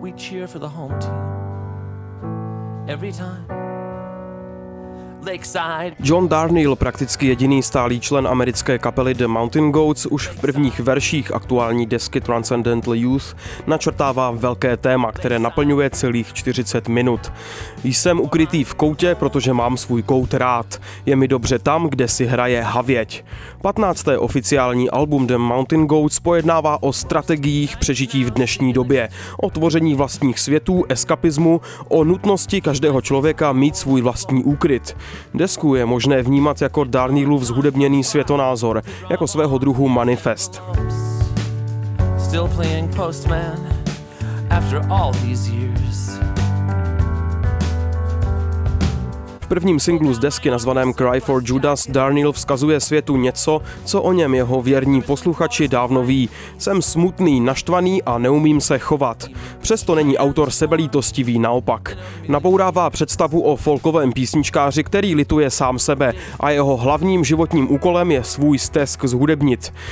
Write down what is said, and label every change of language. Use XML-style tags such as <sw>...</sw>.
<en>We cheer for the home team every time.</en> <cs>John Darnielle, prakticky jediný stálý člen americké kapely The Mountain Goats, už v prvních verších aktuální desky Transcendental Youth načrtává velké téma, které naplňuje celých 40 minut. Jsem ukrytý v koutě, protože mám svůj kout rád. Je mi dobře tam, kde si hraje havěť. 15. oficiální album The Mountain Goats pojednává o strategiích přežití v dnešní době, o tvoření vlastních světů, eskapismu, o nutnosti každého člověka mít svůj vlastní úkryt. Desku je možné vnímat jako Darnielův zhudebněný světonázor, jako svého druhu manifest.</cs> <en>Still playing postman after all these years.</en> <cs>V prvním singlu z desky nazvaném Cry for Judas Darnielle vzkazuje světu něco, co o něm jeho věrní posluchači dávno ví. Jsem smutný, naštvaný a neumím se chovat. Přesto není autor sebelítostivý, naopak. Nabourává představu o folkovém písničkáři, který lituje sám sebe a jeho hlavním životním úkolem je svůj stesk zhudebnit.</cs>